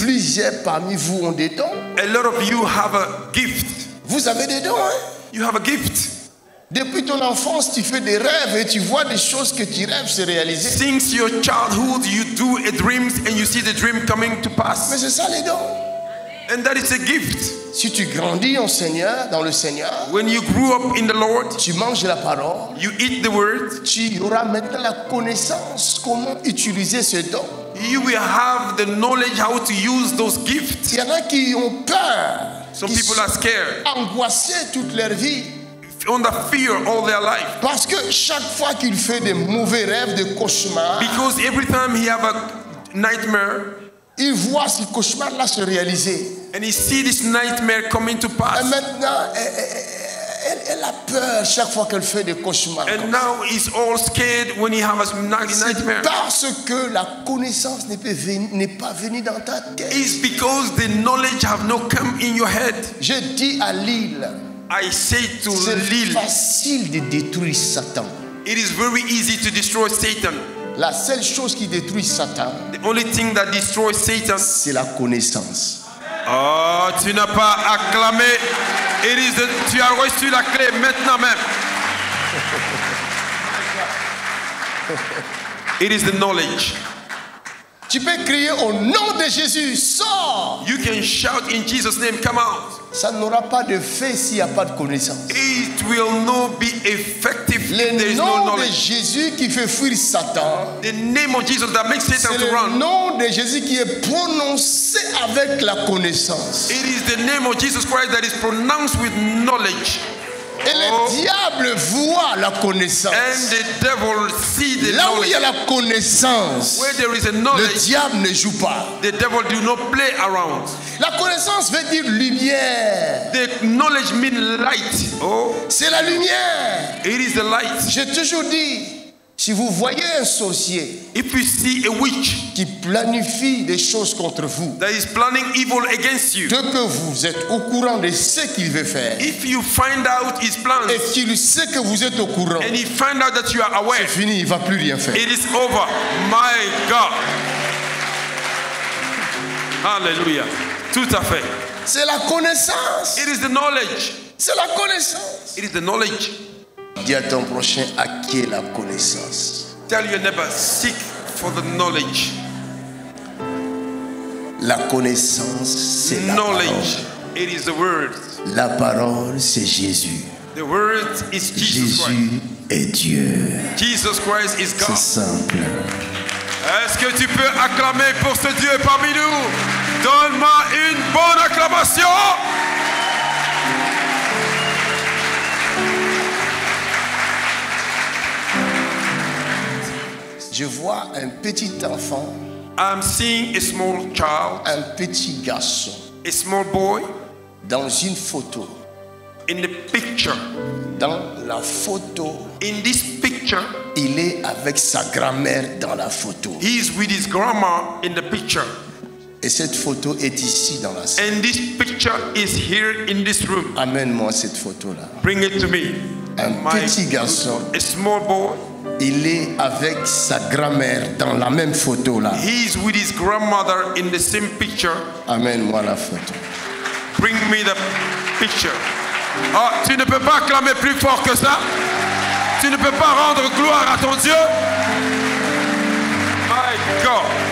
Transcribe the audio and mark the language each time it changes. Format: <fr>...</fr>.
<fr>Plusieurs parmi vous ont des dons.</fr> <en>A lot of you have a gift.</en> <fr>Vous avez des dons, hein?</fr> <en>You have a gift.</en> <fr>Depuis ton enfance, tu fais des rêves et tu vois des choses que tu rêves se réaliser.</fr> <en>Since your childhood, you do a dreams and you see the dream coming to pass.</en> <fr>Mais c'est ça les dons.</fr> <en>And that is a gift.</en> <fr>Si tu grandis en Seigneur, dans le Seigneur,</fr> <en>when you grew up in the Lord,</en> <fr>tu manges la parole,</fr> <en>you eat the word,</en> <fr>tu auras maintenant la connaissance comment utiliser ce don.</fr> <en>You will have the knowledge how to use those gifts.</en> <fr>Il y en a qui ont peur.</fr> <en>Some people are scared.</en> <fr>Angoissés toute leur vie.</fr> <en>under fear all their life.</en> <fr>Parce que chaque fois qu'il fait des mauvais rêves, des cauchemars,</fr> <en>because every time he have a nightmare,</en> <fr>il voit ce cauchemar-là se réaliser.</fr> <en>And he see this nightmare coming to pass.</en> <fr>Et maintenant, elle a peur chaque fois qu'elle fait des cauchemars.</fr> <en>And now he's all scared when he has a nightmare.</en> <fr>C'est parce que la connaissance n'est pas venue dans ta tête.</fr> <en>It's because the knowledge have not come in your head.</en> <fr>Je dis à Lille.</fr> <en>I say to</en> <fr>c'est Lille, facile de détruire Satan.</fr> <en>It is very easy to destroy Satan.</en> <fr>La seule chose qui détruit Satan,</fr> <en>the only thing that destroys Satan,</en> <fr>c'est la connaissance. Oh, tu n'as pas acclamé.</fr> <en>It is the,</en> <fr>tu as reçu la clé maintenant même.</fr> <en>It is the knowledge.</en> <fr>Tu peux crier au nom de Jésus, sors.</fr> <en>You can shout in Jesus' name, come out.</en> <fr>Ça n'aura pas de fait s'il n'y a pas de connaissance.</fr> <en>It will not be effective.</en> <fr>Le</fr> <en>there is</en> <fr>nom</fr> <en>no knowledge.</en> <fr>De Jésus qui fait fuir Satan.</fr> <en>The name of Jesus that makes Satan</en> <fr>c'est</fr> <en>to run.</en> <fr>Le nom de Jésus qui est prononcé avec la connaissance.</fr> <en>It is the name of Jesus Christ that is pronounced with knowledge.</en> <fr>Et le diable voit la connaissance.</fr> <en>And the devil see the</en> <fr>là où il y a la connaissance,</fr> <en>where there is a knowledge,</en> <fr>le diable ne joue pas.</fr> <en>The devil do not play around.</en> <fr>La connaissance veut dire lumière.</fr> <en>The knowledge means light. Oh.</en> <fr>C'est la lumière.</fr> <en>It is the light.</en> <fr>J'ai toujours dit, si vous voyez un sorcier,</fr> <en>if you see a witch,</en> <fr>qui planifie des choses contre vous,</fr> <en>that is planning evil against you,</en> <fr>de que vous êtes au courant de ce qu'il veut faire,</fr> <en>if you find out his plans,</en> <fr>et qu'il sait que vous êtes au courant,</fr> <en>and he find out that you are aware,</en> <fr>c'est fini, il va plus rien faire.</fr> <en>It is over, my God.</en> <fr>Hallelujah. Tout à fait. C'est la connaissance.</fr> <en>It is the knowledge.</en> <fr>C'est la connaissance.</fr> <en>It is the knowledge.</en> <fr>Dis à ton prochain, acquiers la connaissance.</fr> <en>Tell your neighbor, seek for the knowledge.</en> <fr>La connaissance, c'est</fr> <en>knowledge,</en> <fr>la parole.</fr> <en>It is the word.</en> <fr>La parole, c'est Jésus.</fr> <en>The word is Jesus.</en> <fr>Jésus Christ. Est Dieu.</fr> <en>Jesus Christ is God.</en> <fr>C'est simple. Est-ce que tu peux acclamer pour ce Dieu parmi nous? Donne-moi une bonne acclamation. Je vois un petit enfant.</fr> <en>I'm seeing a small child.</en> <fr>Un petit garçon.</fr> <en>A small boy.</en> <fr>Dans une photo.</fr> <en>In the picture.</en> <fr>Dans la photo.</fr> <en>In this picture.</en> <fr>Il est avec sa grand-mère dans la photo.</fr> <en>He is with his grandma in the picture.</en> <fr>Et cette photo est ici dans la salle.</fr> <en>And this picture is here in this room.</en> <fr>Amène-moi cette photo-là.</fr> <en>Bring it to me.</en> <fr>Un petit garçon.</fr> <en>A small boy.</en> <fr>Il est avec sa grand-mère dans la même photo là.</fr> <en>He is with his grandmother in the same picture.</en> <fr>Amène-moi la photo.</fr> <en>Bring me the picture.</en> <fr>Oh, tu ne peux pas clamer plus fort que ça. Tu ne peux pas rendre gloire à ton Dieu.</fr> <en>My God.</en>